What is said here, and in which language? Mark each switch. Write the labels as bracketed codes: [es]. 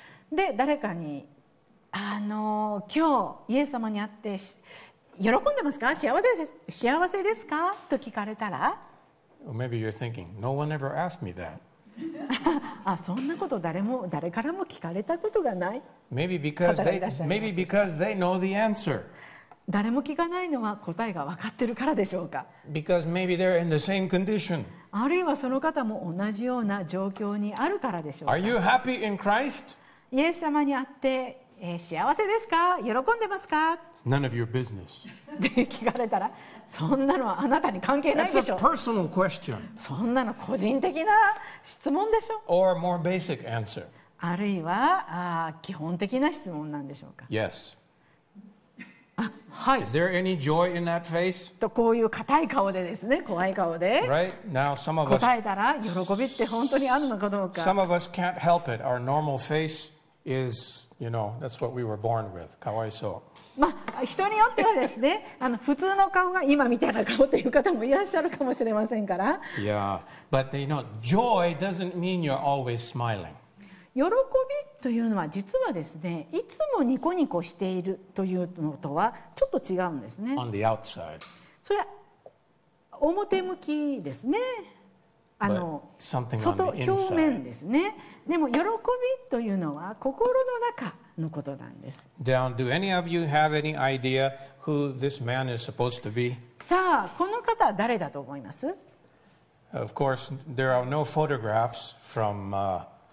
[ja] で、誰かに、今日、イエス様に会って、喜んでますか？幸せですか？と聞かれたら。 [en] Well, maybe you're thinking, no one ever asked me that. [ja] あ、そんなこと誰からも聞かれたことがない。 [en] Maybe because they know the answer. [ja] 誰も聞かないのは答えが分かってるからでしょうか。 [en] Because maybe they're in the same condition. [ja] あるいはその方も同じような状況にあるからでしょうか。 [en] Are you happy in Christ? [ja] イエス様に会って、幸せですか？喜んでますか？ [en] None of your business. [ja] で聞かれたら、そんなのはあなたに関係ないでしょう。 [en] That's a personal question. [ja] そんなの個人的な質問でしょう。 [en] Or more basic answer. [ja] あるいは、基本的な質問なんでしょうか。 [en] Yes. [ja] はい、 [en] Is there any joy in that face? [ja] とこういう硬い顔でですね、怖い顔で。 [en] Right? Now, some of us, [ja] 答えたら喜びって本当にあるのかどうか。 [en] Some of us can't help it. Our normal face is, you know, that's what we were born with. [ja] かわいそう。まあ、人によってはですね、普通の顔が今みたいな顔っていう方もいらっしゃるかもしれませんから。 [en] Yeah, but you know, joy doesn't mean you're always smiling. [ja] 喜びというのは実はですね、いつもニコニコしているというのとはちょっと違うんですね。 [en] On the outside. [ja] それは表向きですね。 [en] Something on the inside. [ja] 外表面ですね。でも喜びというのは心の中のことなんです。 [en] Down, do any of you have any idea who this man is supposed to be? [ja] さあ、この方は誰だと思います [en] ？Of course, there are no photographs from.